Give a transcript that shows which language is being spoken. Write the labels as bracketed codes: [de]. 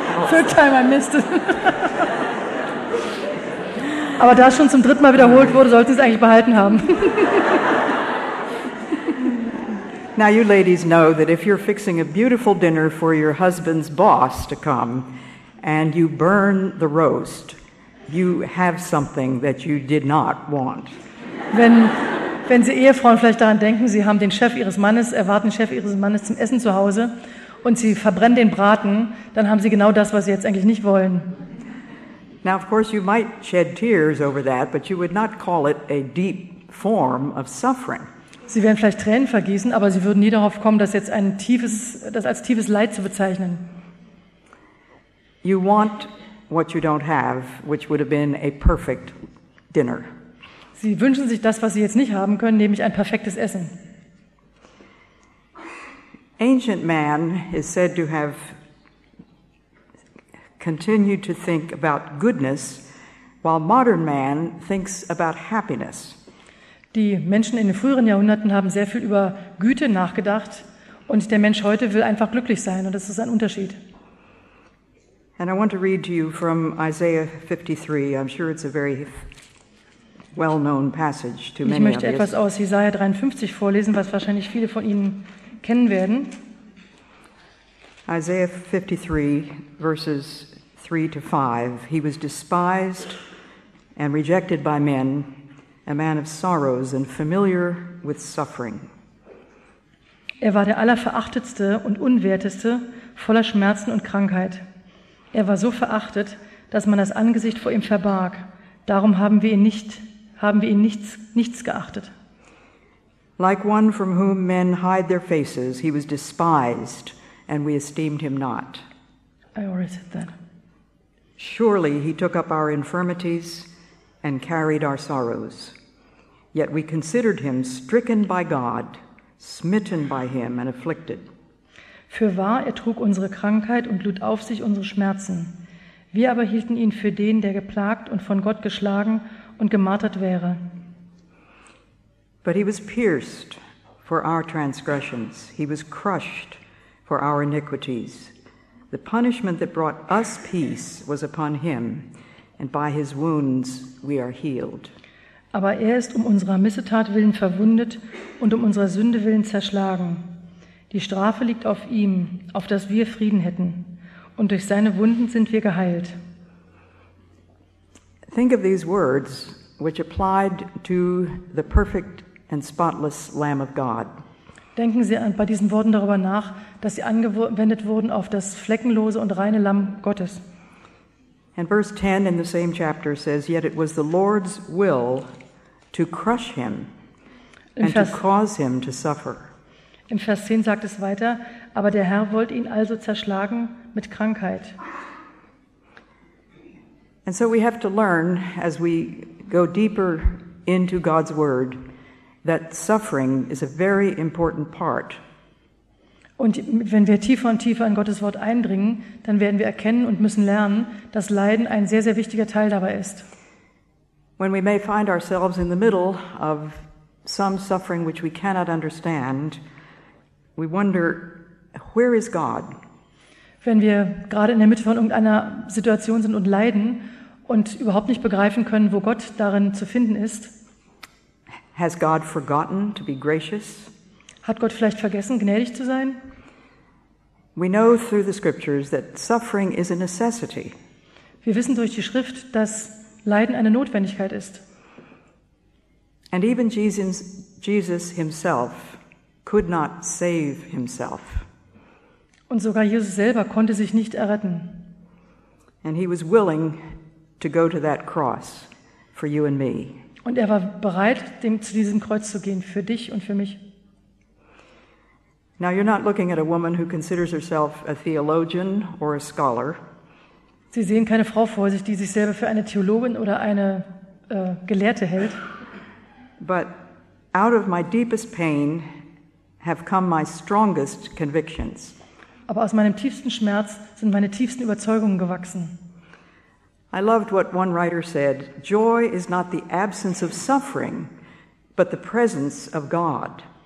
[en] Third time I missed it. [de] Aber da es schon zum dritten Mal wiederholt wurde, sollten Sie es eigentlich behalten haben. [en] Now you ladies know that if you're fixing a beautiful dinner for your husband's boss to come and you burn the roast, you have something that you did not want. [de] Wenn Sie Ehefrauen vielleicht daran denken, Sie haben den Chef Ihres Mannes, erwarten Chef Ihres Mannes zum Essen zu Hause und Sie verbrennen den Braten, dann haben Sie genau das, was Sie jetzt eigentlich nicht wollen. [en] Now of course you might shed tears over that, but you would not call it a deep form of suffering. [de] Sie werden vielleicht Tränen vergießen, aber Sie würden nie darauf kommen, das jetzt als tiefes Leid zu bezeichnen. [en] You want what you don't have, which would have been a perfect dinner. [de] Sie wünschen sich das, was Sie jetzt nicht haben können, nämlich ein perfektes Essen. [en] Ancient man is said to have continued to think about goodness, while modern man thinks about happiness. [de] Die Menschen in den früheren Jahrhunderten haben sehr viel über Güte nachgedacht und der Mensch heute will einfach glücklich sein und das ist ein Unterschied. [en] And I want to read to you from Isaiah 53. I'm sure it's a very well-known passage to many of you. [de] Ich möchte etwas aus Jesaja 53 vorlesen, was wahrscheinlich viele von Ihnen kennen werden. [en] Isaiah 53, verses 3-5. He was despised and rejected by men, a man of sorrows and familiar with suffering. [de] Er war der allerverachtetste und unwerteste, voller Schmerzen und Krankheit. Er war so verachtet, dass man das Angesicht vor ihm verbarg. Darum haben wir ihn nichts geachtet. [en] Like one from whom men hide their faces, he was despised, and we esteemed him not. I already said that. Surely he took up our infirmities and carried our sorrows. Yet we considered him stricken by God, smitten by him and afflicted. [de] Fürwahr, er trug unsere Krankheit und lud auf sich unsere Schmerzen. Wir aber hielten ihn für den, der geplagt und von Gott geschlagen und gemartert wäre. [en] But he was pierced for our transgressions. He was crushed for our iniquities. The punishment that brought us peace was upon him, and by his wounds we are healed. [de] Aber er ist um unserer Missetat willen verwundet und um unserer Sünde willen zerschlagen. Die Strafe liegt auf ihm, auf dass wir Frieden hätten. Und durch seine Wunden sind wir geheilt. [en] Think of these words, which applied to the perfect and spotless Lamb of God. [de] Denken Sie bei diesen Worten darüber nach, dass sie angewendet wurden auf das fleckenlose und reine Lamm Gottes. [en] And verse 10 in the same chapter says, yet it was the Lord's will to crush him and to cause him to suffer. [de] Im Vers 10 sagt es weiter, aber der Herr wollte ihn also zerschlagen mit Krankheit. [en] And so we have to learn as we go deeper into God's word that suffering is a very important part. [de] Und wenn wir tiefer und tiefer in Gottes Wort eindringen, dann werden wir erkennen und müssen lernen, dass Leiden ein sehr, sehr wichtiger Teil dabei ist. [en] When we may find ourselves in the middle of some suffering which we cannot understand, we wonder, where is God? [de] Wenn wir gerade in der Mitte von irgendeiner Situation sind und leiden und überhaupt nicht begreifen können, wo Gott darin zu finden ist. [en] Has God forgotten to be gracious? [de] Hat Gott vielleicht vergessen, gnädig zu sein? [en] We know through the scriptures that suffering is a necessity. [de] Wir wissen durch die Schrift, dass Leiden eine Notwendigkeit ist. [en] And even Jesus himself could not save himself. [de] Und sogar Jesus selber konnte sich nicht erretten. [en] And he was willing to go to that cross for you and me. [de] Und er war bereit, zu diesem Kreuz zu gehen, für dich und für mich. [en] Now you're not looking at a woman who considers herself a theologian or a scholar. [de] Sie sehen keine Frau vor sich, die sich selber für eine Theologin oder eine Gelehrte hält. [en] But out of my deepest pain have come my strongest convictions. [de] Aber aus meinem tiefsten Schmerz sind meine tiefsten Überzeugungen gewachsen. [en] I loved what one writer said, joy is not the absence of suffering, but the presence of God.